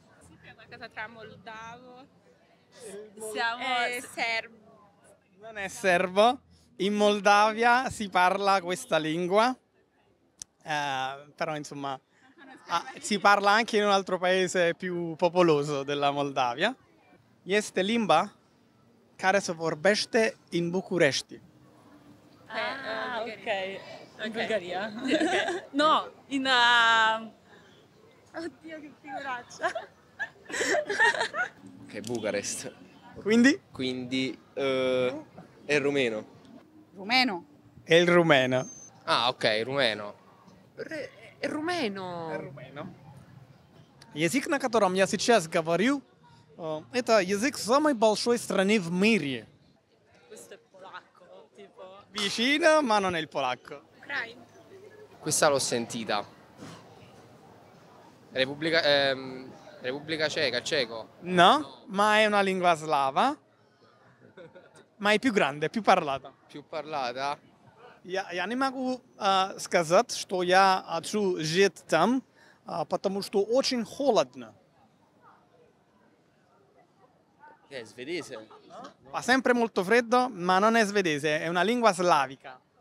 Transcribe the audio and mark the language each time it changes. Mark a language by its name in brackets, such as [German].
[Italian] Sì, è una cosa tra moldavo. Siamo serbo. Non è serbo. In Moldavia si parla questa lingua. Però, insomma, si parla anche in un altro paese più popoloso della Moldavia. [Romanian] Este limba care se vorbește in București. [Italian] Ok. In Bulgaria? Okay. No, in... Oddio, che figuraccia! Ok, Bucarest. Quindi? Quindi... è il rumeno. Rumeno? È il rumeno. Ah, ok, rumeno. È il rumeno. È il rumeno. [Russian] Язык, на котором я сейчас говорю, это язык самой большой страны в мире. [Italian] Questo è polacco, tipo... Vicino, ma non è il polacco. Questa l'ho sentita. Repubblica Ceca, ceco. No, ma è una lingua slava. Ma è più grande, più parlata. Più parlata? [Russian] Я не могу сказать, что я хочу жить там, потому что очень холодно. [Italian] È svedese. Fa sempre molto freddo, ma non è svedese, è una lingua slavica.